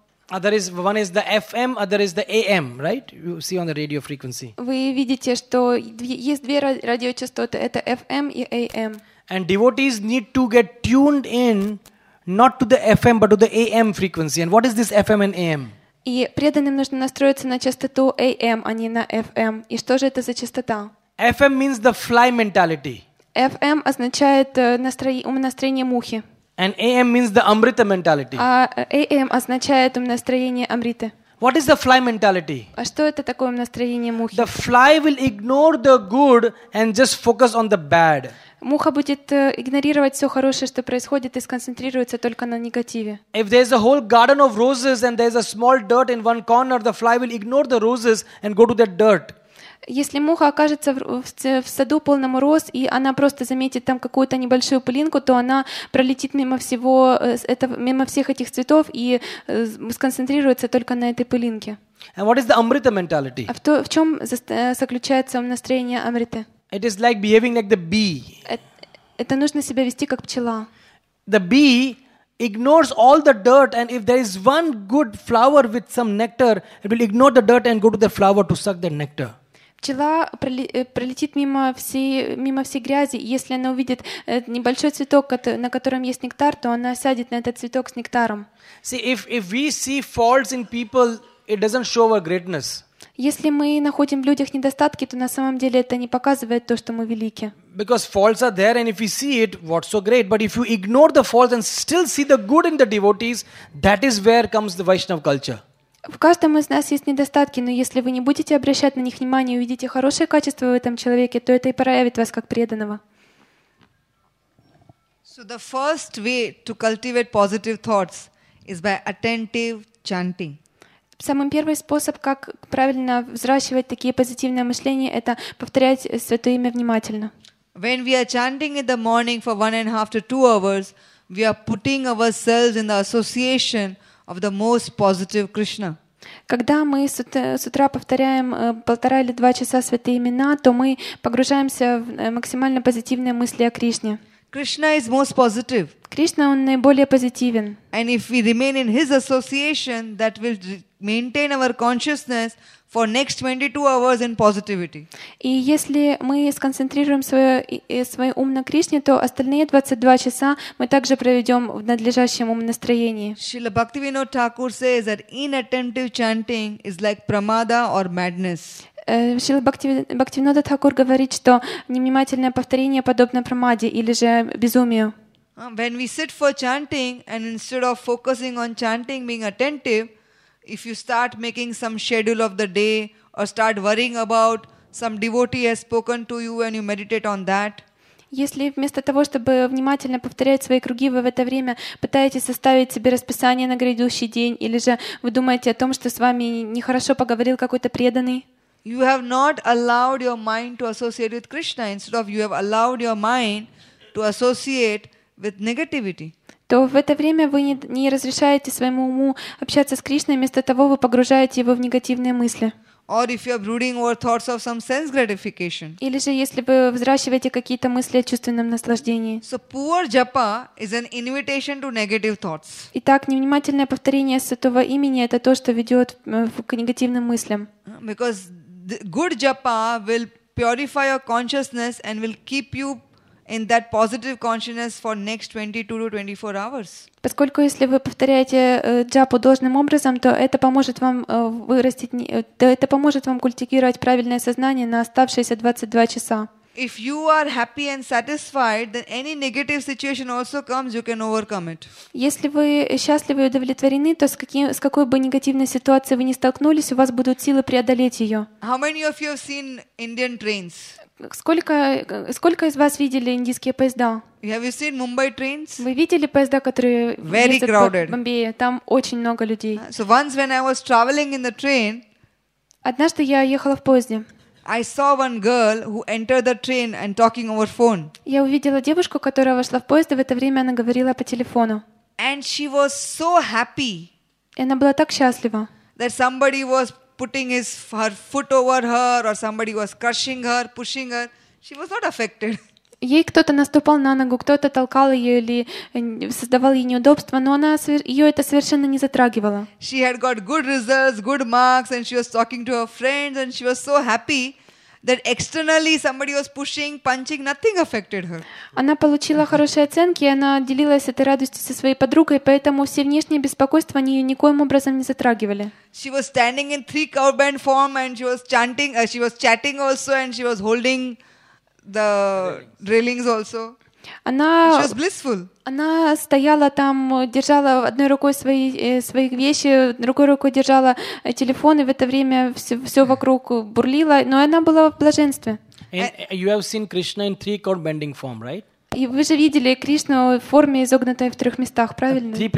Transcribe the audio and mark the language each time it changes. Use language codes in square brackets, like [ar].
[en] There is one is the FM, other is the AM, right? You see on the radio frequency. [ru] Вы видите, что есть две радиочастоты, это FM и AM. [en] And devotees need to get tuned in not to the FM, but to the AM frequency. And what is this FM and AM? [ru] И преданным нужно настроиться на частоту AM, а не на FM. И что же это за частота? [en] FM means the fly mentality. [ru] FM означает умонастроение мухи. [en] And AM means the Amrita mentality. [ru] А AM означает умонастроение Амриты. [en] What is the fly mentality? [ru] А что это такое умонастроение мухи? [en] The fly will ignore the good and just focus on the bad. [ru] Муха будет игнорировать все хорошее, что происходит, и сконцентрируется только на негативе. [en] If there is a whole garden of roses and there is a small dirt in one corner, the fly will ignore the roses and go to that dirt. [ru] Если муха окажется в саду полном роз, и она просто заметит там какую-то небольшую пылинку, то она пролетит мимо всех этих цветов и сконцентрируется только на этой пылинке. [en] And what is the Amrita mentality? [ru] В чем заключается настроение Амриты? [en] It is like behaving like the bee. [ru] Это нужно себя вести как пчела. [en] The bee ignores all the dirt, and if there is one good flower with some nectar, it will ignore the dirt and go to the flower to suck the nectar. [ru] Пчела пролетит мимо всей грязи, и если она увидит небольшой цветок, на котором есть нектар, то она сядет на этот цветок с нектаром. [en] See, if we see faults in people, it doesn't show our greatness. [ru] Если мы находим в людях недостатки, то на самом деле это не показывает то, что мы велики. [en] Because faults are there, and if we see it, what's so great? But if you ignore the faults and still see the good in the devotees, that is where comes the Vaishnav culture. [ru] В каждом из нас есть недостатки, но если вы не будете обращать на них внимание и увидите хорошие качества в этом человеке, то это и проявит вас как преданного. [en] So the first way to cultivate positive thoughts is by attentive chanting. [ru] Самый первый способ, как правильно взращивать такие позитивные мышления, это повторять Святое Имя внимательно. [en] When we are chanting in the morning for 1.5 to 2 hours, we are putting ourselves in the association of the most positive Krishna. [ru] Когда мы с утра повторяем 1.5 или 2 часа Святые Имена, то мы погружаемся в максимально позитивные мысли о Кришне. [en] Krishna is most positive. [ru] Кришна, он наиболее позитивен. [en] And if we remain in his association, that will maintain our consciousness for next 22 hours in positivity. [ru] И если мы сконцентрируем свой ум на Кришне, то остальные 22 часа мы также проведем в надлежащем ум настроении. [en] Srila Bhaktivinoda Thakur says that inattentive chanting is like pramada or madness. [ru] Шрила Бхактивинода Тхакур говорит, что невнимательное повторение подобно прамаде или же безумию. [en] When we sit for chanting and instead of focusing on chanting, being attentive, if you start making some schedule of the day or start worrying about some devotee has spoken to you and you meditate on that. [ru] Если вместо того, чтобы внимательно повторять свои круги, вы в это время пытаетесь составить себе расписание на грядущий день или же вы думаете о том, что с вами нехорошо поговорил какой-то преданный. [en] You have not allowed your mind to associate with Krishna. Instead of you have allowed your mind to associate with negativity. [ru] То в это время вы не разрешаете своему уму общаться с Кришной, вместо того вы погружаете его в негативные мысли. [en] Or if you are brooding over thoughts of some sense gratification. [ru] Или же если вы взращиваете какие-то мысли о чувственном наслаждении. [en] So poor japa is an invitation to negative thoughts. [ru] Итак, невнимательное повторение Святого Имени — это то, что ведет к негативным мыслям. [en] Because the good japa will purify your consciousness and will keep you in that positive consciousness for next 22 to 24 hours. [ru] Поскольку если вы повторяете джапу должным образом, то это поможет вам культивировать правильное сознание на оставшиеся 22 часа. [en] If you are happy and satisfied, then any negative situation also comes, you can overcome it. [ru] Если вы счастливы и удовлетворены, то с какой бы негативной ситуацией вы ни столкнулись, у вас будут силы преодолеть ее. [en] How many of you have seen Indian trains? [ru] Сколько из вас видели индийские поезда? [en] Have you seen Mumbai trains? [ru] Вы видели поезда, которые [en] Very [ru] ездят [en] crowded. [ru] По Бомбее? Там очень много людей. [en] So once when I was traveling in the train, [ru] однажды я ехала в поезде. [en] I saw one girl who entered the train and talking over phone. [ru] Я увидела девушку, которая вошла в поезд, и в это время она говорила по телефону. [en] And she was so happy. [ru] И она была так счастлива. [en] That somebody was putting her foot over her, or somebody was crushing her, pushing her. She was not affected. [ru] Ей кто-то наступал на ногу, кто-то толкал ее или создавал ей неудобства, но она ее это совершенно не затрагивало. [en] She had got good results, good marks, and she was talking to her friends, and she was so happy that externally somebody was pushing, punching, nothing affected her. [ru] Она получила хорошие оценки, и она делилась этой радостью со своей подругой, поэтому все внешние беспокойства ее никоим образом не затрагивали. [en] She was standing in 3-cowband form, and she was chanting, she was chatting also, and she was holding the railings also. [ru] Она, [en] she was blissful. [ru] Она стояла там, держала одной рукой свои вещи, другой рукой держала телефон, и в это время все вокруг бурлило, но она была в блаженстве. [en] You have seen Krishna in 3-cord bending form, right? [ru] И вы же видели Кришну в форме, изогнутой в трех местах, правильно?